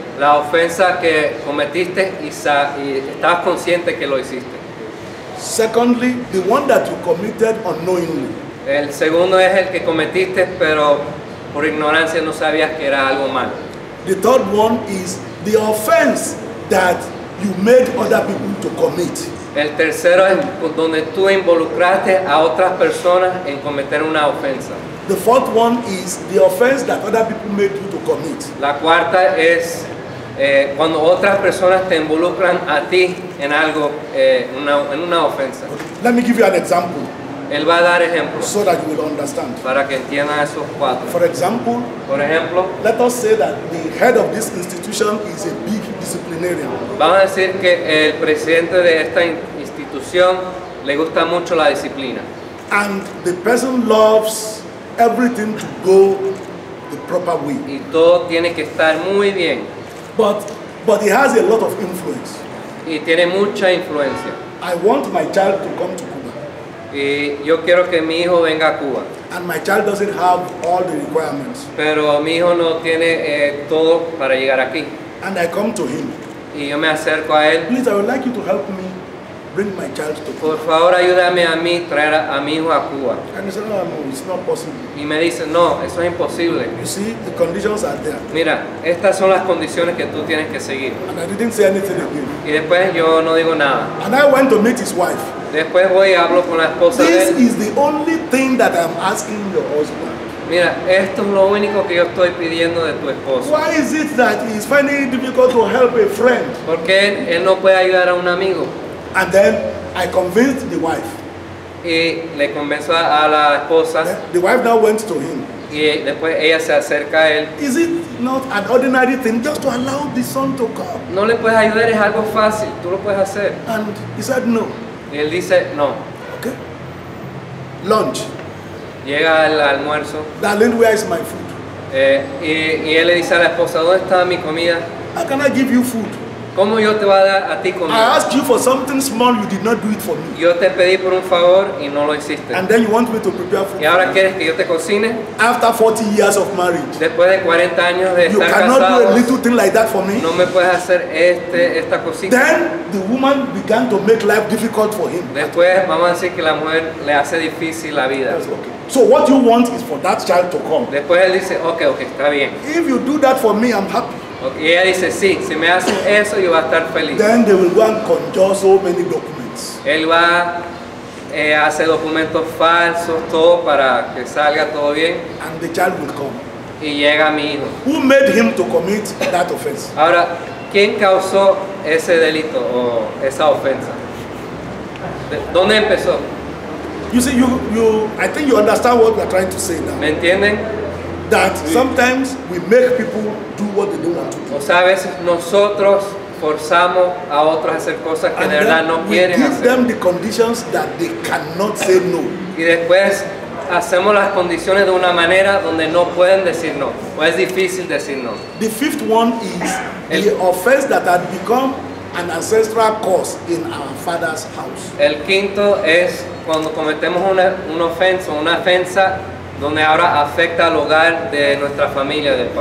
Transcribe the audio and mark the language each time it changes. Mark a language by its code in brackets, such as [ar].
[es] La ofensa que cometiste y estabas consciente que lo hiciste. [en] Secondly, the one that you committed unknowingly. [es] El segundo es el que cometiste, pero por ignorancia no sabías que era algo malo. [en] The third one is the offense that you made other people to commit. [es] El tercero es donde tú involucraste a otras personas en cometer una ofensa. [en] The fourth one is the offense that other people made you to commit. [es] La cuarta es cuando otras personas te involucran a ti en algo, en una ofensa. [en] Okay. Let me give you an example. [es] Él va a dar ejemplos. [en] So that you will understand. [es] Para que entiendan esos cuatro. [en] For example. [es] Por ejemplo. [en] Let us say that the head of this institution is a big disciplinarian. [es] Vamos a decir que el presidente de esta institución le gusta mucho la disciplina. [en] And the person loves everything to go the proper way. [es] Y todo tiene que estar muy bien. [en] But he has a lot of influence. [es] Y tiene mucha influencia. [en] I want my child to come to Cuba. [es] Y yo quiero que mi hijo venga a Cuba. [en] And my child doesn't have all the requirements. [es] Pero mi hijo no tiene todo para llegar aquí. [en] And I come to him. [es] Y yo me acerco a él. [en] Please, I would like you to help me. bring my child to Cuba. [es] Por favor, ayúdame a mí traer a mi hijo a Cuba. [en] And he said, no, no, it's not possible. [es] Y me dice, no, eso es imposible. [en] You see, the conditions are there. [es] Mira, estas son las condiciones que tú tienes que seguir. [en] And I didn't say anything again. [es] Y después yo no digo nada. [en] And I went to meet his wife. [es] Después voy y hablo con la esposa [en] This [es] de él. [en] Is the only thing that I'm asking your husband. [es] Mira, esto es lo único que yo estoy pidiendo de tu esposo. [en] Why is it that he's finding it difficult to help a friend? [es] Porque él no puede ayudar a un amigo. [en] And then I convinced the wife. [es] Y le convenció a la esposa. [en] The wife now went to him. [es] Y después ella se acerca a él. [en] Is it not an ordinary thing just to allow the son to come? [es] No le puedes ayudar, es algo fácil. Tú lo puedes hacer. [en] And he said no. [es] Y él dice no. [en] Okay. Lunch. [es] Llega el almuerzo. [en] Darling, where is my food? [es] Y él le dice a la esposa, ¿dónde está mi comida? [en] How can I give you food? [es] ¿Cómo yo te voy a dar a ti comida? [en] I asked you for something small, you did not do it for me. [es] Yo te pedí por un favor y no lo hiciste. [en] And then you want me to prepare food. [es] ¿Y ahora quieres que yo te cocine? [en] After 40 years of marriage. [es] Después de 40 años de estar casados. [en] You cannot do a little thing like that for me. [es] No me puedes hacer esta cosita. [en] Then the woman began to make life difficult for him. [es] Después vamos a decir que la mujer le hace difícil la vida. [en] That's okay. So what you want is for that child to come. [es] Después él dice, okay, está bien. [en] If you do that for me, I'm happy. Okay. [es] Y ella dice, sí, si me hace eso, yo voy a estar feliz. [en] Then they will go and conjure so many documents. [es] Él va a hacer documentos falsos, todo para que salga todo bien. [en] And the child will come. [es] Y llega mi hijo. [en] Who made him to commit that offense? [es] Ahora, ¿quién causó ese delito o esa ofensa? ¿Dónde empezó? [en] You see, I think you understand what we are trying to say now. [es] ¿Me entienden? [en] That sometimes we make people do what they don't want to do. [es] O sea, a veces nosotros forzamos a otros a hacer cosas que [en] And [es] de verdad no quieren hacer. [en] We give them the conditions that they cannot say no. [es] Y después hacemos las condiciones de una manera donde no pueden decir no. O es difícil decir no. [en] The fifth one is the offense that had become an ancestral curse in our father's house. [es] El quinto es cuando cometemos una ofensa donde ahora afecta al hogar de nuestra familia, del papá.